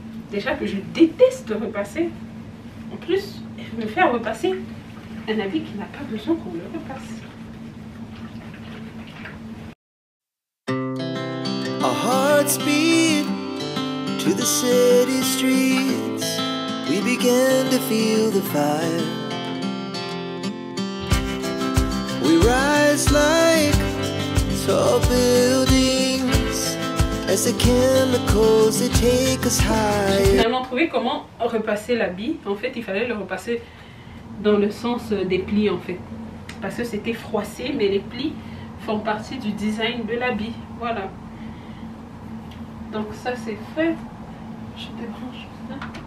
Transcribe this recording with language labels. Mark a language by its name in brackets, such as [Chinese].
[French] Déjà que je déteste repasser. En plus, me faire repasser un habit qui n'a pas besoin qu'on le repasse. [English] A heart speed to the city streets. We began to feel the fire. We rise like tall buildings as the chemicals they take us higher. [French] J'ai finalement trouvé comment repasser l'habit. En fait, il fallait le repasser dans le sens des plis, en fait. Parce que c'était froissé, mais les plis font partie du design de l'habit. Voilà. Donc ça, c'est fait. Je débranche ça.